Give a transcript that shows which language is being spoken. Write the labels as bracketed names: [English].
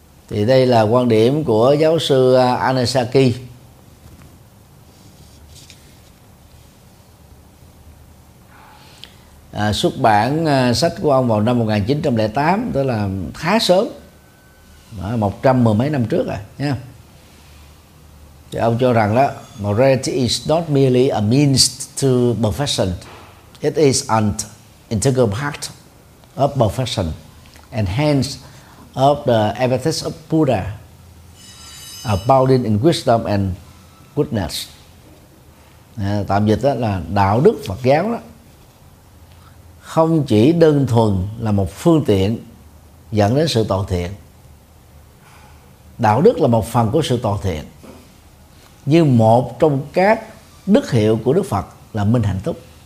[Vietnamese] Thì đây là quan điểm của giáo sư Anasaki. Xuất bản sách của ông vào năm 1908, tức là khá sớm, 110 mấy năm trước rồi nha. Thì ông cho rằng đó, [English] morality is not merely a means to perfection, it is an integral part of perfection, and hence of the epithets of Buddha, abounding in wisdom and goodness. [Vietnamese] Tạm dịch đó là đạo đức Phật giáo đó không chỉ đơn thuần là một phương tiện dẫn đến sự toàn thiện. Đạo đức là một phần của sự toàn thiện. như một trong các đức hiệu của Đức Phật là minh hạnh túc.